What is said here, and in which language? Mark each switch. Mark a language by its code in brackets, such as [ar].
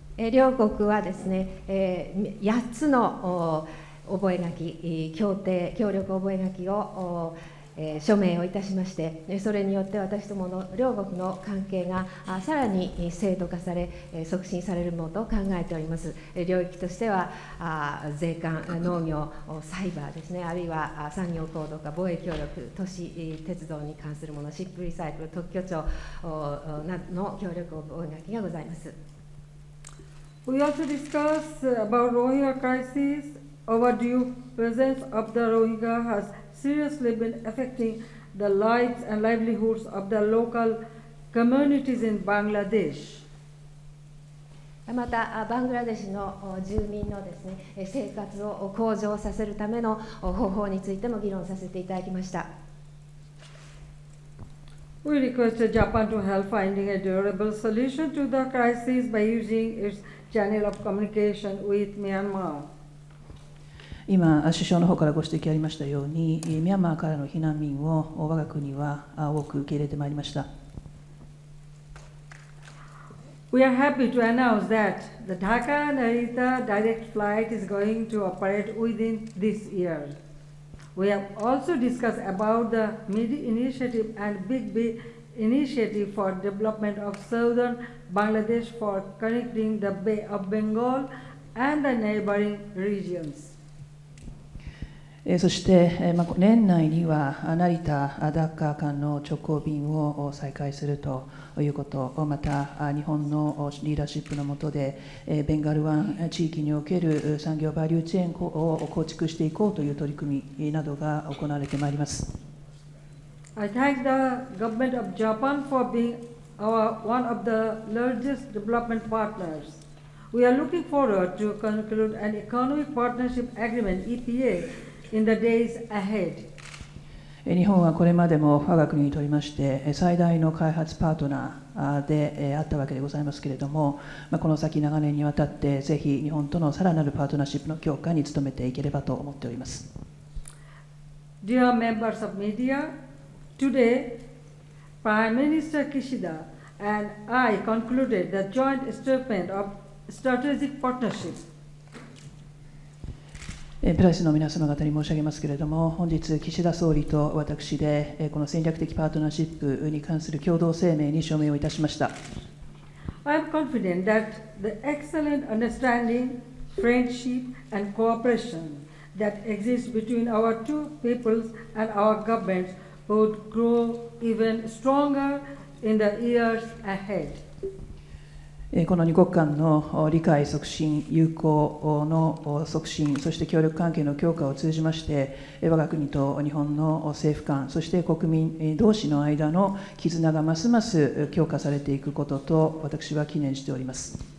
[ja] 両国はですね、8つの覚書、協定、協力覚書を署名をいたしまして、それによって私どもの両国の関係がさらに制度化され、促進されるものと考えております。領域としては、税関、農業、サイバーですね、あるいは産業行動か防衛協力、都市、鉄道に関するもの、シップリサイクル、特許庁などの協力覚書がございます。 [en] We also discuss about Rohingya crisis, overdue presence of the Rohingya has. Seriously been affecting the lives and livelihoods of the local communities in Bangladesh. [ja] また、バングラデシュの住民のですね、生活を向上させるための方法についても議論させていただきました。 [en] We requested Japan to help finding a durable solution to the crisis by using its channel of communication with Myanmar. [ja] 今首相の方からご指摘ありましたようにミャンマーからの避難民を我が国は多く受け入れてまいりました。 [en] We are happy to announce that the Dhaka Narita direct flight is going to operate within this year. We have also discussed about the MIDI initiative and BIGBI initiative for development of southern Bangladesh for connecting the Bay of Bengal and the neighboring regions. [ja] そして年内には成田ダッカー間の直行便を再開するということ、また日本のリーダーシップの下でベンガル湾地域における産業バリューチェーンを構築していこうという取り組みなどが行われてまいります。 [en] I thank the government of Japan for being our one of the largest development partners. We are looking forward to conclude an economic partnership agreement EPAIn the days ahead. [ja] 日本はこれまでも我が国にとりまして最大の開発パートナーであったわけでございますけれども、まあ、この先長年にわたってぜひ日本とのさらなるパートナーシップの強化に努めていければと思っております。 [en] Dear members of media, today Prime Minister Kishida and I concluded the joint statement of strategic partnership. [ja] プレスの皆様方に申し上げますけれども、本日岸田総理と私でこの戦略的パートナーシップに関する共同声明に署名をいたしました。 [en] I am confident that the excellent understanding, friendship and cooperation that exists between our two peoples and our governments would grow even stronger in the years ahead. [ja] この2国間の理解促進、友好の促進、そして協力関係の強化を通じまして、我が国と日本の政府間、そして国民同士の間の絆がますます強化されていくことと、私は記念しております。